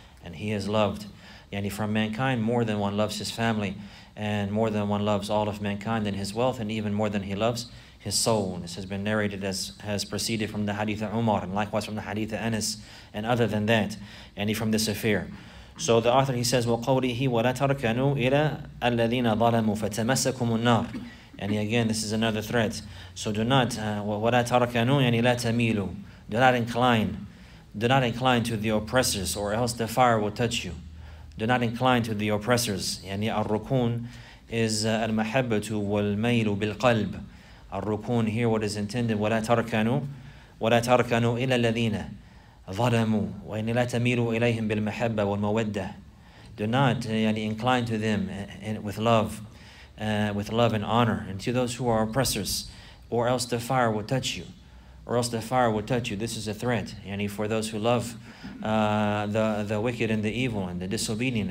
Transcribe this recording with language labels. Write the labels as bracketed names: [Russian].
[English] And he is loved, yani from mankind, more than one loves his family, and more than one loves all of mankind and his wealth, and even more than he loves his soul. This has been narrated as has proceeded from the Hadith of Umar, and likewise from the Hadith of Anas, and other than that, yani from this affair. So the author, he says, [Arabic] وَقَوْلِهِ وَلَا تَرْكَنُوا إِلَىٰ أَلَّذِينَ ظَلَمُوا فَتَمَسَّكُمُ النَّارِ. And again, this is another threat. [English] So do not, [Arabic] وَلَا تَرْكَنُوا يَنِي لَا تَمِيلُوا. [English] Do not incline. Do not incline to the oppressors, or else the fire will touch you. Do not incline to the oppressors. [Arabic] يعني الركون is المحبة والميل بالقلب. الركون [English] here, what is intended, [Arabic] وَلَا تَرْكَنُوا إِلَىٰ الَّذِينَ ظَلَمُوا وَإِنِ لَا تَمِيلُوا إِلَيْهِمْ بِالْمَحَبَّةِ وَالْمَوَدَّةِ. [English] Do not incline to them with love and honor, and to those who are oppressors, or else the fire will touch you. This is a threat, yani for those who love the wicked and the evil and the disobedient.